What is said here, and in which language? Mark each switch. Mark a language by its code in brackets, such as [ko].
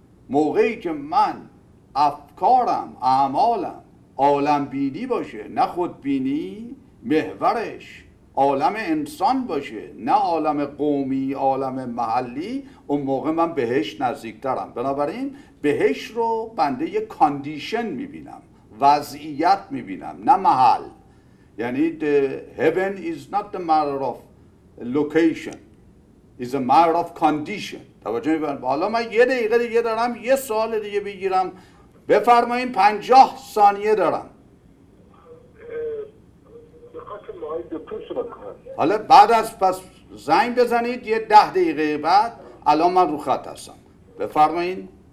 [fa] موقعی که من افکارم، اعمالم عالم بینی باشه، نه خود بینی، محورش عالم انسان باشه، نه عالم قومی، عالم محلی، اون موقع من بهش نزدیکترم. بنابراین بهش رو بنده یک کاندیشن میبینم، وضعیت میبینم، نه محل. [en] یعنی heaven is not the matter of location, is a matter of condition. [fa] توجه میبینم. حالا من یه دقیقه دیگه دارم، یه سوال دیگه بگیرم. بفرمایین 50 ثانیه دارم. حالا بعد از پس زنگ بزنید یه 10 دقیقه بعد، الان من رو خط هستم. بفرمایین.